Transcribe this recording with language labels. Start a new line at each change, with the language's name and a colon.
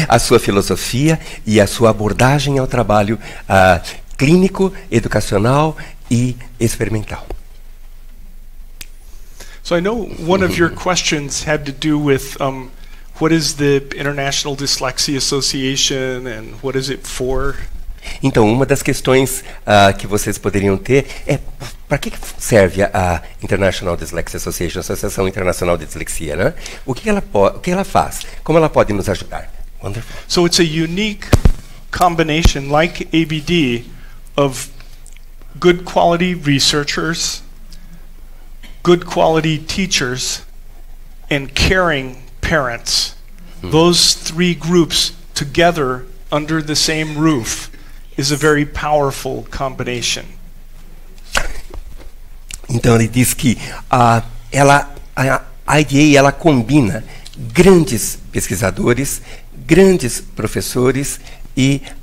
Portuguese: A sua filosofia e a sua abordagem ao trabalho clínico, educacional e experimental.
English: So I know one of your questions had to do with what is the International Dyslexia Association and what is it for?
Portuguese: Então, uma das questões que vocês poderiam ter é para que serve a International Dyslexia Association, a Associação Internacional de Dislexia, né? O que ela faz? Como ela pode nos ajudar?
English: Wonderful. So it's a unique combination, like ABD, of good quality researchers, good quality teachers, and caring parents. Those three groups together under the same roof is a very powerful combination.
Portuguese: Então ele diz que a IDA ela combina grandes pesquisadores, grandes professores e